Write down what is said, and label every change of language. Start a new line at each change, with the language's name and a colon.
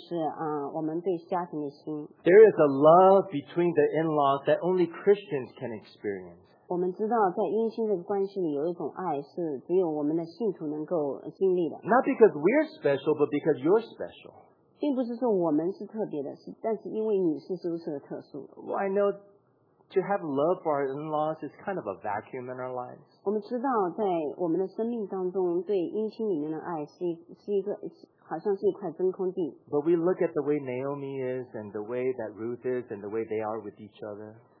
Chinese: 通过你的启示，你教育，就是我们对家庭的心。
English: There is a love between the in-laws that only Christians can experience.
Chinese: 我们知道，在姻亲的关系里，有一种爱是只有我们的信徒能够经历的。
English: Not because we're special, but because you're special.
Chinese: 并不是说我们是特别的，但是因为你是如此的特殊。
English: Well, I know. To have love for our in-laws is kind of a vacuum in our lives.
Chinese: 我们知道，在我们的生命当中，对姻亲里面的爱是一个，好像是一块真空地。
English: But we look at the way Naomi is, and the way that Ruth is, and the way they are with each other.